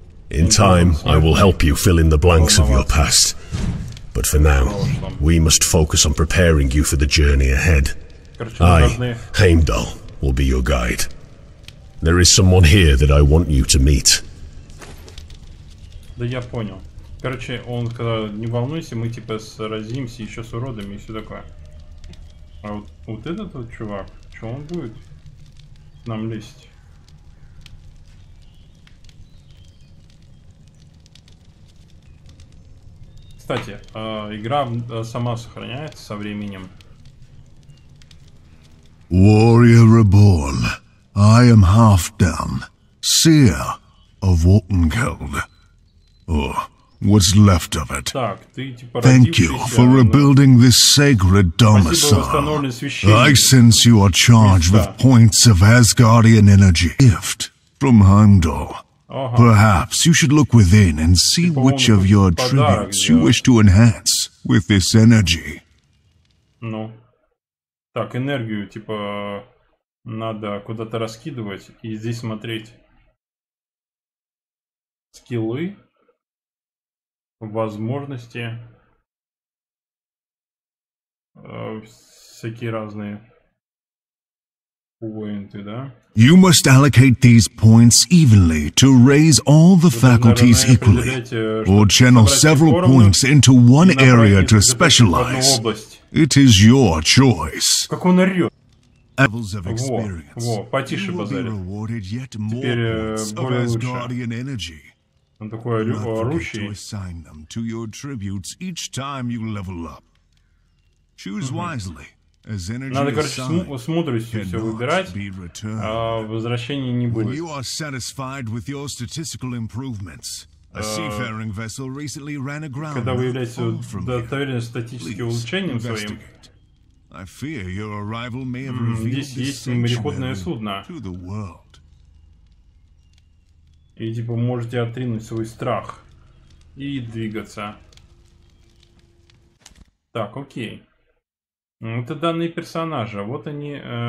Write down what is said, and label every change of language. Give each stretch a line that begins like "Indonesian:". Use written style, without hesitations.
English: In time, I will help you fill in the blanks of your past. But for now, we must focus on preparing you for the journey ahead. I, Heimdall, will be your guide. There is someone here that I want you to meet.
Russian: Да я понял. Короче, он, когда не волнуйся, мы типа сразимся еще с уродами и все такое. А вот, вот этот вот чувак, что он будет нам лезть? Кстати, игра сама сохраняется со временем.
English: Warrior reborn. I am Halfdan, seer of Wotengeld. Or what's left of it.
Russian: Так, ты, типа,
English: thank you for rebuilding this sacred domicile. I sense you are charged with points of Asgardian energy. Gift from Heimdall. Ага. Perhaps you should look within and see which of your tributes you wish to enhance with this energy. Ну.
Russian: Так, энергию, типа, надо куда-то раскидывать и здесь смотреть. Скиллы. Возможности. Всякие разные. Поинты, да?
English: You must allocate these points evenly to raise all the faculties equally, or channel several points into one area to specialize. It is your choice.
Russian: Как он орёт.
English: Levels of experience.
Russian: Во, потише базарит. Теперь более лучше. Он такой орущий.
English: To assign them to your tributes each time you level up. Choose wisely.
Russian: Надо, короче, с мудростью все выбирать, а возвращения не будет.
English: You are satisfied with your statistical improvements. A seafaring vessel recently ran aground.
Russian: Когда вы являетесь удостоверены статическим улучшением своим,
English: I fear your arrival may have revealed this
Russian: здесь есть мореходное судно.
English: To the world.
Russian: И типа можете отринуть свой страх и двигаться. Так, окей. Это данные персонажа. Вот они.